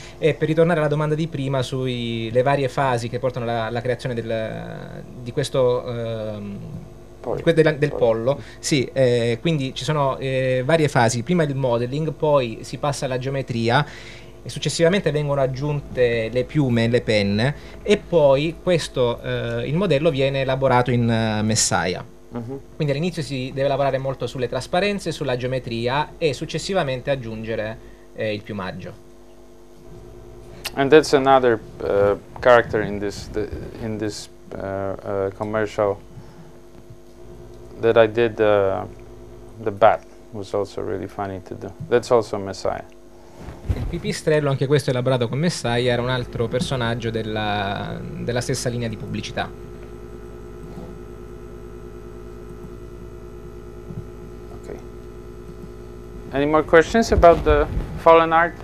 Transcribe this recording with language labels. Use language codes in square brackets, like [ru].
[it] E per ritornare alla domanda di prima sulle varie fasi che portano alla creazione del pollo, sì, quindi ci sono varie fasi, prima il modeling, poi si passa alla geometria e successivamente vengono aggiunte le piume e le penne e poi il modello viene elaborato in Messiah. Mm-hmm. Quindi all'inizio si deve lavorare molto sulle trasparenze, sulla geometria e successivamente aggiungere il piumaggio. [en] And that's another character in this commercial that I did, the bat was also really funny to do. That's also Messiah. [it] Il pipistrello, anche questo elaborato con Messiah, era un altro personaggio della stessa linea di pubblicità. [en] Okay. Any more questions about the Fallen Art?